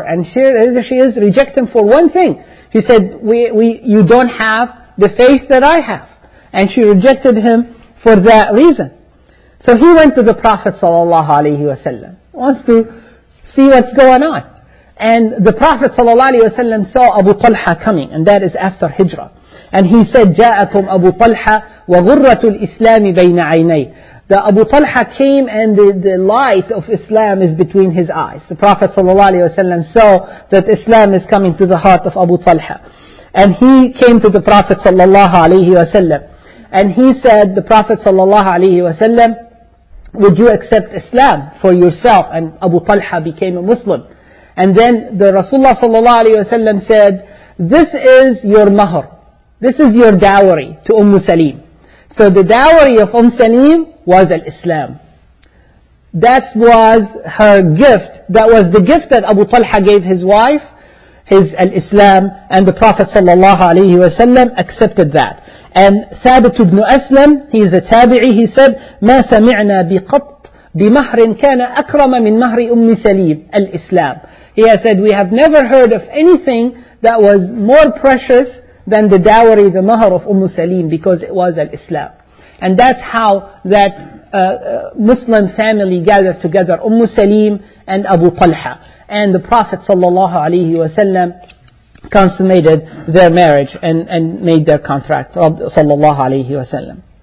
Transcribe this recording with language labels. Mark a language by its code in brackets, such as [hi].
[en] And she is rejecting for one thing. She said, you don't have the faith that I have. And she rejected him for that reason. So he went to the Prophet sallallahu alaihi wasallam, wants to see what's going on. And the Prophet sallallahu alaihi wasallam saw Abu Talha coming, and that is after Hijra. And he said, [ar] جاءكم أبو طلحة وغرة الإسلام بين عيني. [en] The Abu Talha came, and the light of Islam is between his eyes. The Prophet sallallahu alaihi wasallam saw that Islam is coming to the heart of Abu Talha, and he came to the Prophet sallallahu alaihi wasallam. And he said, the Prophet sallallahu alaihi wasallam, would you accept Islam for yourself? And Abu Talha became a Muslim. And then the Rasulullah sallallahu alaihi wasallam said, this is your mahr. This is your dowry to Umm Salim. So the dowry of Umm Salim was al-Islam. That was her gift. That was the gift that Abu Talha gave his wife, his al-Islam. And the Prophet sallallahu alaihi wasallam accepted that. And Thabit ibn Aslam, he is a tabi'i, he said, [ar] مَا سَمِعْنَا بِقَطْ بِمَهْرٍ كَانَ أَكْرَمَ مِنْ مَهْرِ أُمِّ سَلِيمٍ الْإِسْلَامِ. [en] He has said, we have never heard of anything that was more precious than the dowry, the mahr of Umm Salim, because it was al-Islam. And that's how that Muslim family gathered together, Umm Salim and Abu Talha. And the Prophet sallallahu alayhi wa sallam consummated their marriage and made their contract, sallallahu alaihi wasallam.